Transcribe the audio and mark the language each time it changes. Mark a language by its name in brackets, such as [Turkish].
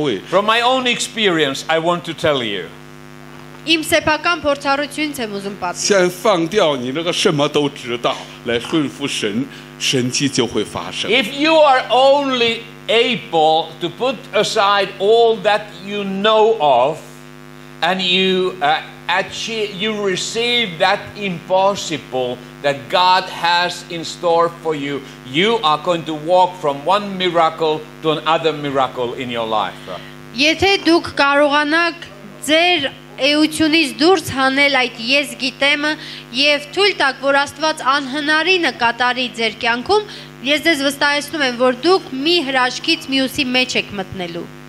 [English] From my own experience, I want to tell you. [Armenian] Իմ սեփական փորձառությունից եմ ուզում [Chinese] պատմել։ 先放掉你那个什么都知道，来顺服神，神迹就会发生。 [English] If you are only able to put aside all that you know of, and you you receive that impossible that God has in store for you, you are going to walk from one miracle to another miracle in your life. [Armenian] Եթե դուք կարողանաք ձեր էությունից դուրս հանել այդ ես գիտեմը եւ թույլ տաք որ Աստված անհնարինը կատարի ձեր կյանքում, ես ձեզ վստահեցնում եմ որ դուք մի հրաշքից մյուսի մեջ եք մտնելու։